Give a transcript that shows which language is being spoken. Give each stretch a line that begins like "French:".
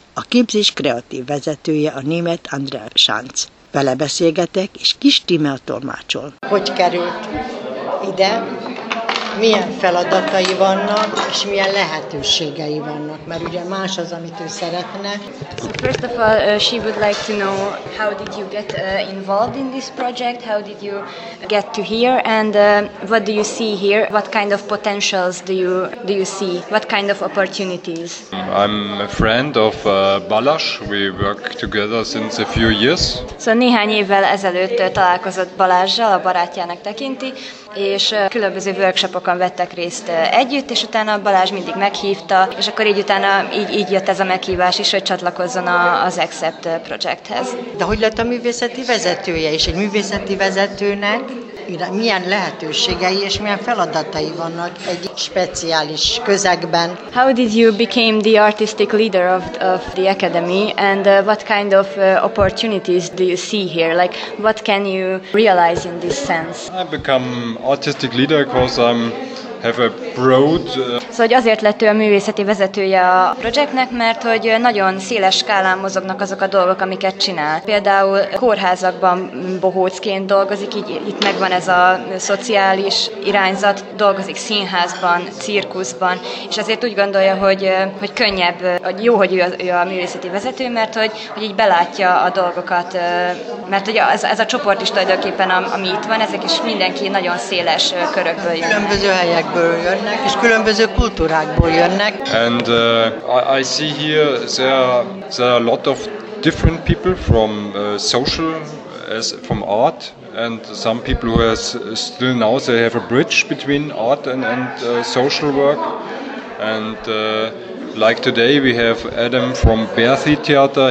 Hungarian: A képzés kreatív vezetője a német Andrea Schanz. Vele beszélgetek, és Kis Tíme a tolmácsol. Hogy került ide? Milyen feladatai vannak, és milyen lehetőségei vannak, mert ugye más az, amit ő szeretne.
English: So first of all, she would like to know, how did you get involved in this project, how did you get to here, and what do you see here, what kind of potentials do you see, what kind of opportunities? I'm a friend of Balázs, we work together since a few years.
Hungarian: So néhány évvel ezelőtt találkozott Balázzsal, a barátjának tekinti, és különböző workshopokon vettek részt együtt, és utána Balázs mindig meghívta, és akkor így utána így jött ez a meghívás is, hogy csatlakozzon az Accept projekthez. De hogy lett a művészeti vezetője, és egy művészeti vezetőnek milyen lehetőségei és milyen feladatai vannak egy speciális közegben?
English: How did you became the artistic leader of the academy, and what kind of opportunities do you see here? Like, what can you realize in this sense? I become artistic leader because I'm have a broad.
Hungarian: Szóval azért lett ő a művészeti vezetője a projektnek, mert hogy nagyon széles skálán mozognak azok a dolgok, amiket csinál. Például kórházakban bohócként dolgozik, így itt megvan ez a szociális irányzat, dolgozik színházban, cirkuszban, és azért úgy gondolja, hogy könnyebb, hogy jó, hogy ő a művészeti vezető, mert hogy így belátja a dolgokat, mert hogy ez a csoport is tulajdonképpen, ami itt van, ezek is mindenki nagyon széles körökből jön. Különböző helyek. Jönnek, és különböző kultúrákból jönnek.
English: And I see here there are a lot of different people from social as from art, and some people who has still now they have a bridge between art and social work. And like today we have Adam from Berthi Theater.